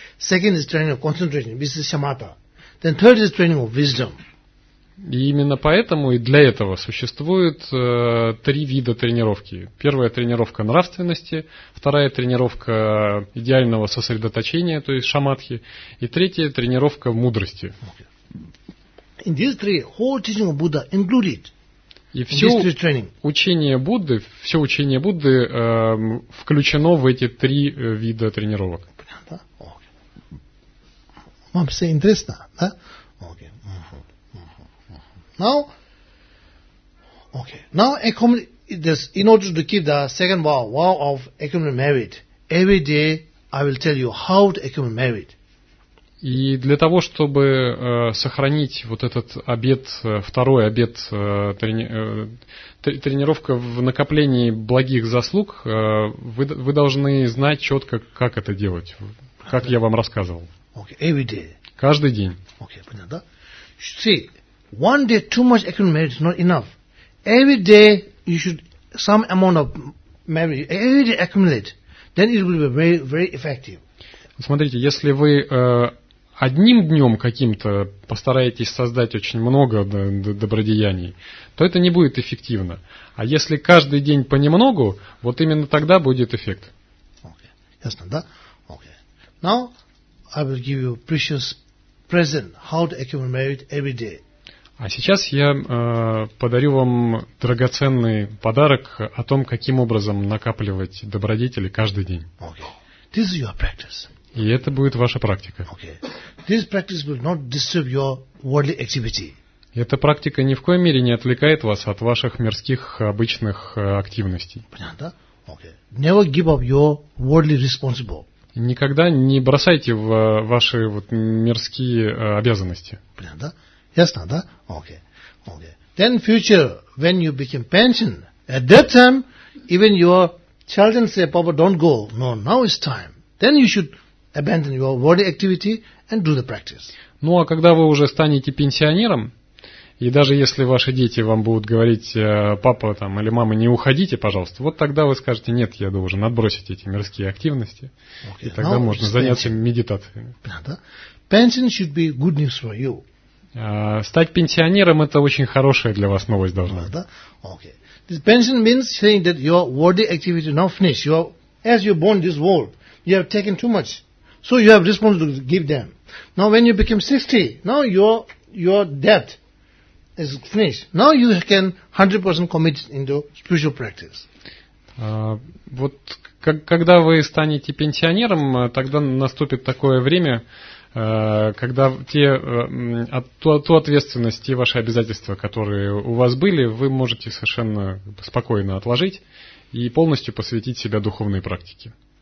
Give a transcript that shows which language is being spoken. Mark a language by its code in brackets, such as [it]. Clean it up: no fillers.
[en] Second is training of concentration, which is shamatha. Then third is training of wisdom. [ru] И именно поэтому и для этого существует три вида тренировки. Первая тренировка нравственности, вторая тренировка идеального сосредоточения, то есть шамадхи, и третья тренировка мудрости. [en] Okay. In these three, whole teaching of Buddha included. [ru] И все учение Будды, включено в эти три вида тренировок. Понятно? Окей. Вам все интересно, да? Окей. [en] Now, okay. Now, in order to keep the second vow of accumulated merit, every day I will tell you how to accumulate merit. [ru] И для того, чтобы сохранить вот этот обет, второй обет, тренировка в накоплении благих заслуг, вы должны знать четко, как это делать, как я вам рассказывал. [en] Okay, every day. [ru] Каждый день. Okay, понятно? [en] See, one day too much accumulated merit is not enough. Every day you should some amount of merit, every day accumulate, then it will be very, very effective. [ru] Смотрите, если вы одним днем каким-то постараетесь создать очень много добродеяний, то это не будет эффективно. А если каждый день понемногу, вот именно тогда будет эффект. Okay. Ясно, да? Okay. [en] Now I will give you a precious present, how to accumulate merit every day. [ru] А сейчас я подарю вам драгоценный подарок о том, каким образом накапливать добродетели каждый день. [en] Okay. This is your practice. [ru] И это будет ваша практика. [en] Okay. This practice will not disturb your worldly activity. [ru] Эта практика ни в коей мере не отвлекает вас от ваших мирских обычных активностей. Понятно? [en] Okay. Never give up your worldly responsible. [ru] Никогда не бросайте в ваши вот мирские обязанности. Понятно? Ясно, да? Okay. Okay. [en] Then future, when you become pension, at that time, even your children say, Papa, don't go. No, now is time. Then you should abandon your worldly activity and do the practice. [ru] Ну, а когда вы уже станете пенсионером, и даже если ваши дети вам будут говорить, папа там или мама, не уходите, пожалуйста, вот тогда вы скажете, нет, я должен отбросить эти мирские активности, okay. И тогда [en] now [ru] можно заняться медитацией. [en] Pension should be good news for you. [ru] Стать пенсионером – это очень хорошая для вас новость должна быть. [en] Okay. This pension means saying that your worldly activity now finished. You are, as you born this world, you have taken too much. So you have responsibility to give them. Now when you become 60, now your debt is finished. Now you can 100% commit into spiritual practice. [ru] Вот когда вы станете пенсионером, тогда наступит такое время, когда ту ответственность, те ваши обязательства, которые у вас были, вы можете совершенно спокойно отложить и полностью посвятить себя духовной практике.